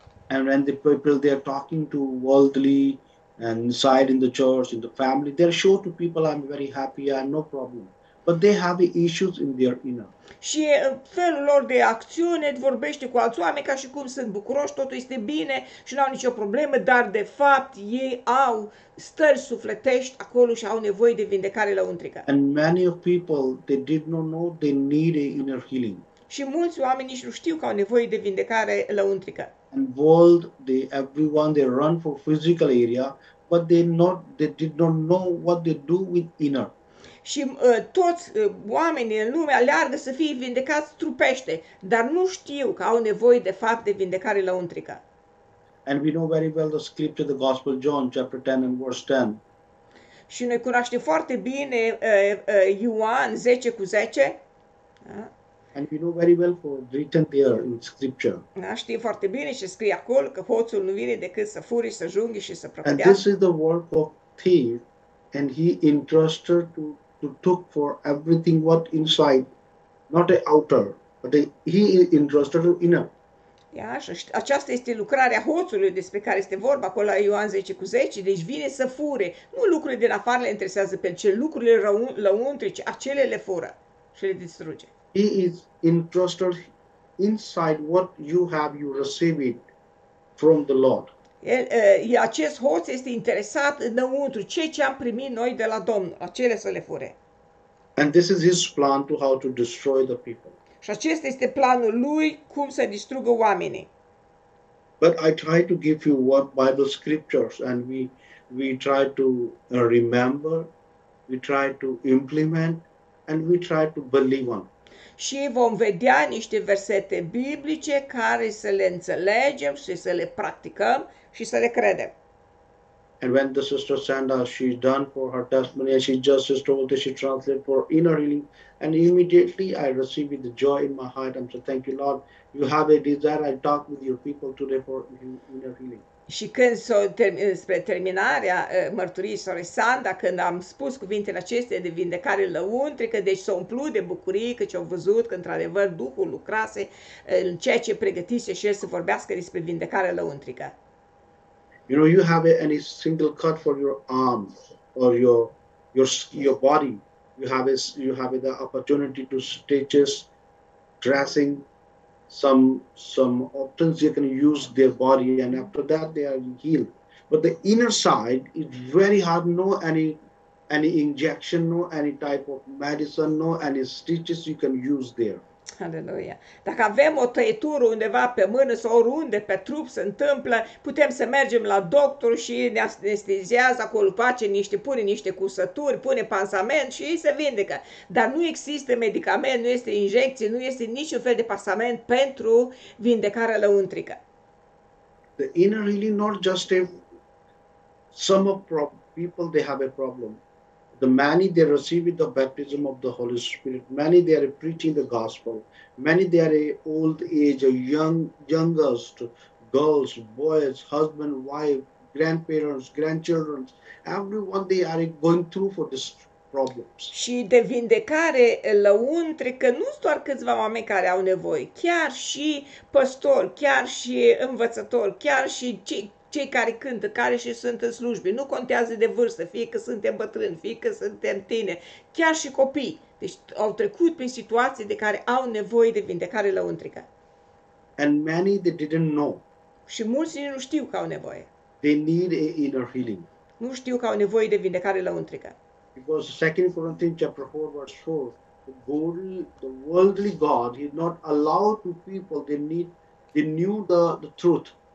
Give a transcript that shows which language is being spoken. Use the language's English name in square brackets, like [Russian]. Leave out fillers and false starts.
[English] And when the people they are talking to worldly and inside in the church, in the family, they show to people, I'm very happy, I have no problem. But they have issues in their inner. [Romanian] Și felul lor de acțiune vorbește cu alți oameni ca și cum sunt bucuroși, totul este bine și nu au nicio problemă, dar de fapt ei au stări sufletești acolo și au nevoie de vindecare lăuntrică. [English] And many of people, they did not know they need a inner healing. [Romanian] Și mulți oameni nici nu știu că au nevoie de vindecare lăuntrică. [English] And world, everyone they run for physical area, but they did not know what they do with inner. [Romanian] Și toți oamenii în lume aleargă să fie vindecați trupește, dar nu știu că au nevoie de fapt de vindecare lăuntrică. [English] And we know very well the scripture, the Gospel John, chapter 10 and verse 10. [Romanian] Și noi cunoaștem foarte bine Ioan 10 cu 10. [English] And we know very well for written there in scripture. [Romanian] Da, știi foarte bine ce scrie acolo că hoțul nu vine decât să furi, să junghi și să prăpădească. [English] And this is the work of thief and he entrusted to took for everything what inside, not the outer, but he entrusted to inner. [Romanian] Ia, aceasta este lucrarea hoțului despre care este vorba acolo la Ioan 10 cu 10, deci vine să fure. Nu lucrurile din afară le interesează pe cel, lucrurile lăuntrice, acele le fură și le distruge. [English] He is entrusted inside what you have, you receive it from the Lord. [Romanian] Acest hoț este interesat înăuntru, ce am primit noi de la Domnul, acele să le fure. [English] And this is his plan to how to destroy the people. [Romanian] Și acesta este planul lui, cum să distrugă oamenii. [English] But I try to give you what Bible scriptures and we try to remember, we try to implement and we try to believe on. [Romanian] și vom vedea niște versete biblice care să le înțelegem și să le practicăm și să le credem. [English] And when the sister Sanda, she's done for her testimony, and she just sister Volte, she translated for inner healing, and immediately I received the joy in my heart. I'm saying, thank you, Lord. You have a desire. I talk with your people today for inner healing. [Romanian] Și când s-o spre terminarea mărturiei sorei Sanda, când am spus cuvintele acestea de vindecare lăuntrică, deci s-o umplut de bucurie că ce-au văzut că într-adevăr Duhul lucrase în ceea ce pregătise și el să vorbească despre vindecare lăuntrică. [English] You know, you have any single cut for your arm or your body, you have the opportunity to stitches, dressing, some options you can use their body, and after that they are healed. But the inner side is very hard. No any injection, no any type of medicine, no any stitches you can use there. Hallelujah. [Romanian] Dacă avem o tăietură undeva pe mână sau oriunde pe trup se întâmplă, putem să mergem la doctor și ne anestezează acolo, face niște, pune niște cusături, pune pansament și ei se vindecă. Dar nu există medicament, nu este injecție, nu este niciun fel de pansament pentru vindecarea lăuntrică. [English] The inner healing not just some of people they have a problem. The many they receive the baptism of the Holy Spirit, many they are preaching the gospel, many they are old age, youngest, girls, boys, husband, wife, grandparents, grandchildren, everyone they are going through for this problems. [Romanian] Și de vindecare lăuntrică nu sunt doar câțiva oameni care au nevoie, chiar și păstori, chiar și învățători, chiar și cei care cântă, care și sunt în slujbe, nu contează de vârstă, fie că suntem bătrâni, fie că suntem tineri, chiar și copii. Deci au trecut prin situații de care au nevoie de vindecare lăuntrică. [English] And many they didn't know. [Romanian] Și mulți nu știu că au nevoie. [English] They need a inner healing. [Romanian] Nu știu că au nevoie de vindecare lăuntrică. [English] Because 2 Corinthians chapter 4 verse 4, the worldly God is not allowed to people they need, they knew the truth.